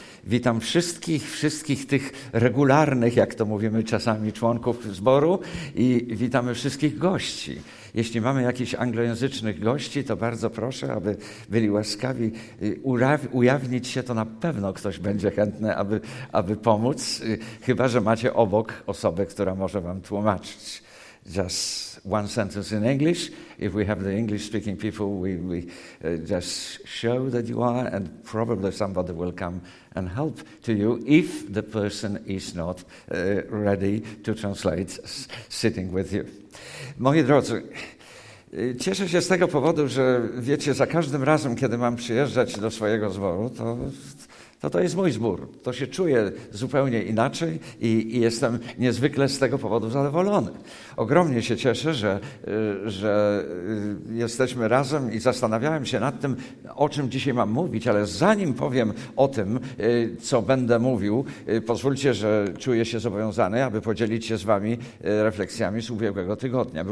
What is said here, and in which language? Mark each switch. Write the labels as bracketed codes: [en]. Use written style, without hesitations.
[pl] Witam wszystkich tych regularnych, jak to mówimy czasami, członków zboru i witamy wszystkich gości. Jeśli mamy jakichś anglojęzycznych gości, to bardzo proszę, aby byli łaskawi ujawnić się, to na pewno ktoś będzie chętny, aby pomóc, chyba że macie obok osobę, która może Wam tłumaczyć. [en] Just one sentence in English. If we have the English-speaking people, we just show that you are, and probably somebody will come and help to you if the person is not ready to translate, sitting with you. [pl] Moi drodzy, cieszę się z tego powodu, że wiecie, za każdym razem, kiedy mam przyjeżdżać do swojego zboru, to jest mój zbór. To się czuję zupełnie inaczej i jestem niezwykle z tego powodu zadowolony. Ogromnie się cieszę, że jesteśmy razem i zastanawiałem się nad tym, o czym dzisiaj mam mówić, ale zanim powiem o tym, co będę mówił, pozwólcie, że czuję się zobowiązany, aby podzielić się z Wami refleksjami z ubiegłego tygodnia.